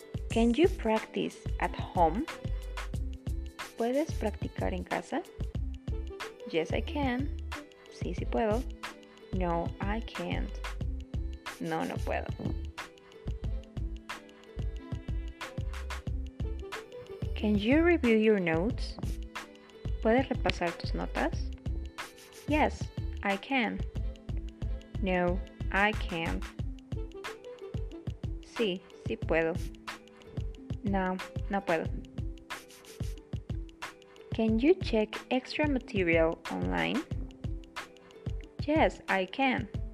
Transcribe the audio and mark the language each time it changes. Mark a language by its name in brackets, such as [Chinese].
[English] Can you practice at home? [Spanish] ¿Puedes practicar en casa? [English] Yes, I can. [Spanish] Sí, sí puedo. [English] No, I can't. [Spanish] No, no puedo. [English] Can you review your notes? [Spanish] ¿Puedes repasar tus notas? [English] Yes, I can. No, I can't. [Spanish] Sí, sí puedo. No, no puedo. [English] Can you check extra material online? Yes, I can.